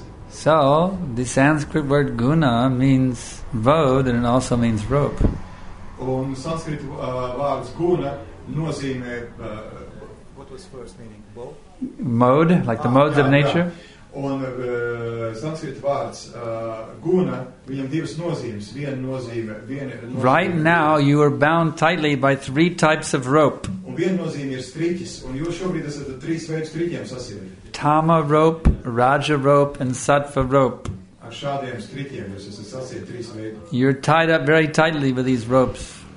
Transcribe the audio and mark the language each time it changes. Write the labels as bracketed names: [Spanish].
[English] So, the Sanskrit word guna means vod and it also means rope. [Latvian] Un Sanskrit vārds guna nozīmē, [English] what was first meaning? Bow? Mode, like the modes of nature. [Latvian] Jā. Un Sanskrit vārds guna, viņam divas nozīmes. Viena nozīme, viena nozīme. [English] Right now you are bound tightly by three types of rope. [Latvian] Un viena nozīme ir striķis, un jūs šobrīd esat trīs veidus striķiem sasieti. [English] Tama rope, Raja rope, and Sattva rope. [Latvian] Ar šādiem striķiem jūs esat sasieti trīs veidus. [English] You're tied up very tightly with these ropes.